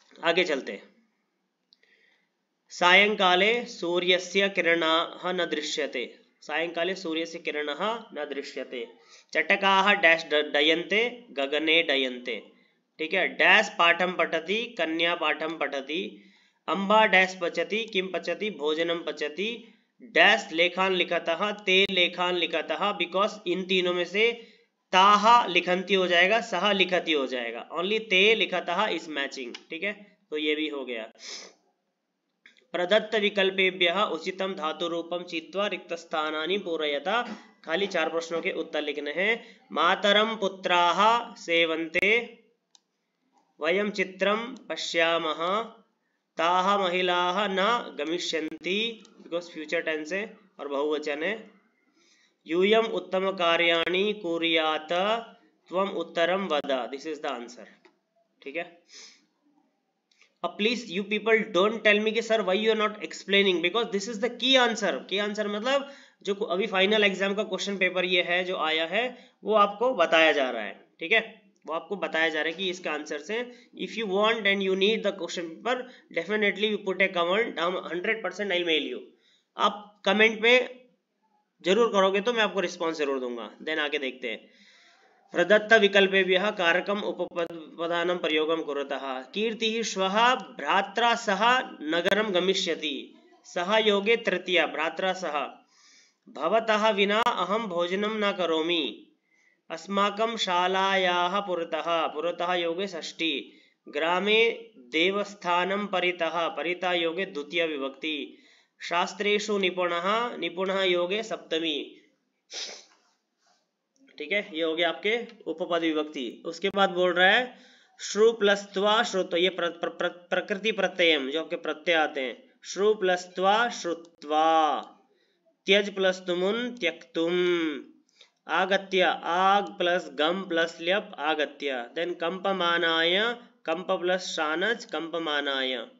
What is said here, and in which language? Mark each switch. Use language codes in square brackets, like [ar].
[sa] आगे चलते, सायंकाले सूर्यस्य किरणाः न दृश्यते, सायंकाले सूर्यस्य किरणाः न दृश्यते, चटकाः डैश डयन्ते गगने डयन्ते। ठीक है, डैश पाठं पठति कन्या पाठं पठति, अम्बा डैश पचति किं पचति भोजनं पचति, डैश लेखान लिखतः ते लेखान लिखतः, [hi] बिकॉज इन तीनों में से ताः लिखंती हो जाएगा, सः लिखति हो जाएगा, ओनली ते लिखतः इज मैचिंग। ठीक है, तो ये भी हो गया। [sa] प्रदत्त विकल्पेभ्यः उचितं धातुरूपं चित्वा रिक्तस्थानानि पूरयत। [hi] खाली चार प्रश्नों के उत्तर लिखने हैं। [sa] मातरं पुत्राः सेवन्ते, वयं चित्रं पश्यामः, ताः महिलाः न गमिष्यन्ति, [hi] बिकॉज फ्यूचर टेंस है और बहुवचन है। [sa] यूयं उत्तम कार्याणि कुर्यात, त्वं उत्तरं वद, [en] This is the answer. [hi] ठीक है, [en] Please you people don't tell me कि sir why you are not explaining, because this is the key answer. [hi] की आंसर मतलब जो अभी फाइनल एग्जाम का क्वेश्चन पेपर ये है जो आया है, वो आपको बताया जा रहा है। ठीक है, वो आपको बताया जा रहा है कि इसके आंसर से, [en] If you want and you need the question paper, definitely you put a comment, 100% I mail you. [hi] आप कमेंट में जरूर करोगे तो मैं आपको रिस्पॉन्स जरूर दूंगा। देन आगे देखते हैं, [sa] प्रदत्त विकल्पेभ्यः कारकम् उपपदानं प्रयोगं कुरुतः, कीर्तिः श्वः भ्रात्रा सह नगरं गमिष्यति, सह योगे तृतीया, भ्रात्रा सह, भवतः विना अहं भोजनं न करोमि, अस्माकं शालायाः पुरतः, पुरतः योगे षष्ठी, ग्रामे देवस्थानं परितः, परितः योगे द्वितीया विभक्ति, शास्त्रेषु निपुणः, निपुणः योगे सप्तमी। [hi] ठीक है, ये हो गया आपके उपपद विभक्ति। उसके बाद बोल रहा है श्रु प्लस त्वा श्रुत्वा, ये प्रकृति प्रत्ययम जो आपके प्रत्यय आते हैं, श्रु प्लस त्वा श्रुत्वा, त्यज प्लस तुमुन त्यक्तुम, आगत्य आग प्लस गम प्लस ल्यप आगत्य, देन कंपमानाय कंप प्लस शानच कंपमानाय।